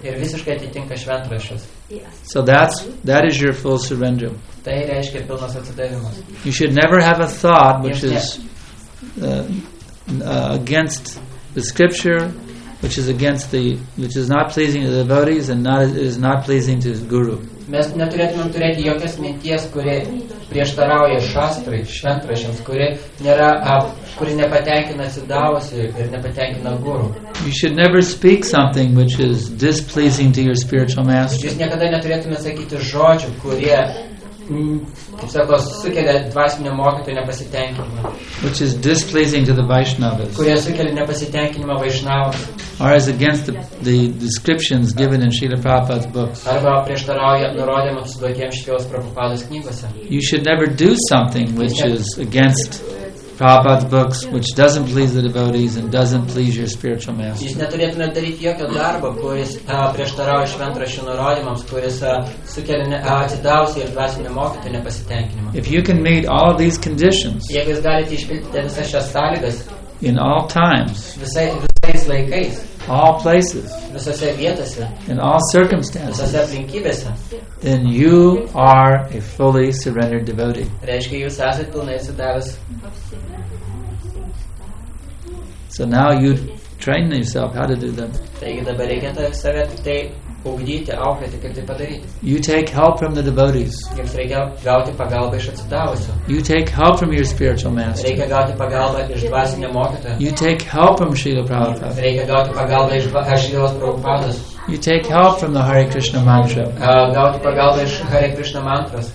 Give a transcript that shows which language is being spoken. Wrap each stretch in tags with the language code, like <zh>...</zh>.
<lt>Ir visiškai atitinka šventraščius.</lt> <en>So that is your full surrender.</en> <lt>Tai reiškia pilnas atsidavimas.</lt> <en>You should never have a thought which is against the scripture, which is not pleasing to the devotees and is not pleasing to his guru.</en> <lt>Mes neturėtumėm turėti jokios minties, kuri prieštarauja šastrai, šventraščiams, kuri nepatenkina atsidavusiu ir nepatenkina guru.</lt> <en>You should never speak something which is displeasing to your spiritual master.</en> <lt>Jūs niekada neturėtumėte sakyti žodžių, kurie, kaip sako, sukelia dvasinio mokytojo nepasitenkinimą.</lt> <en>Which is displeasing to the Vaishnavas.</en> <lt>Kurie sukelia nepasitenkinimą Vaishnavas.</lt> <en>Or is against the descriptions given in Srila Prabhupada's books.</en> <lt>Arba prieštarauja nurodymams duotiems Srilos Prabhupados knygose.</lt> <en>You should never do something which is against Prabhupada's books, which doesn't please the devotees and doesn't please your spiritual master.</en> <lt>Jūs neturėtumėte daryti jokio darbo, kuris prieštarauja šventraščių nurodymams, kuris sukelia atsidavusį ir dvasinį mokytojų nepasitenkinimą.</lt> <en>If you can meet all of these conditions,</en> <lt>jeigu jūs galite išpildyti visas šias sąlygas,</lt> <en>in all times,</en> <lt>visais laikais,</lt> <en>all places,</en> <lt>visose vietose,</lt> <en>in all circumstances,</en> <lt>visose aplinkybėse,</lt> <en>then you are a fully surrendered devotee.</en> <lt>Reiškia, jūs esate pilnai atsidavęs.</lt> <en>So now you train yourself how to do that.</en> <lt>Taigi dabar reikia save tai ugdyti, auklėti, kaip tai padaryti.</lt> <en>You take help from the devotees.</en> <lt>Jums reikia gauti pagalbą iš atsidavusių.</lt> <en>You take help from your spiritual master.</en> <lt>Reikia gauti pagalbą iš dvasinio mokytojo.</lt> <en>You take help from Srila Prabhupada.</en> <lt>Reikia gauti pagalbą iš Srilos Prabhupados.</lt> <en>You take help from the Hare Krishna mantra.</en> <lt>Gauti pagalbą iš Hare Krishna mantras.</lt>